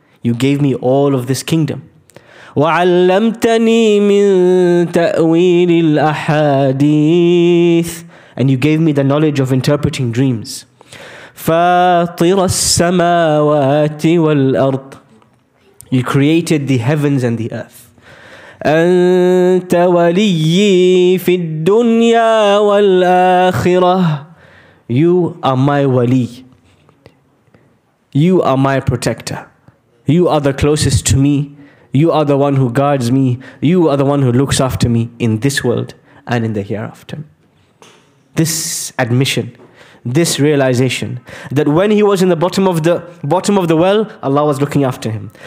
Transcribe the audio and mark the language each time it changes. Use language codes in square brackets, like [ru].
[en] You gave me all of this kingdom. [ar] وَعَلَّمْتَنِي مِن تَأْوِيلِ الْأَحَادِيثِ [en] And you gave me the knowledge of interpreting dreams. [ar] فَاطِرَ السَّمَاوَاتِ وَالْأَرْضِ [en] You created the heavens and the earth. [ar] أَنْتَ وَلِيِّي فِي الدُّنْيَا وَالْآخِرَةِ [en] You are my wali. You are my protector. You are the closest to me. You are the one who guards me. You are the one who looks after me in this world and in the hereafter. This admission, this realization that when he was in the bottom of the well, Allah was looking after him.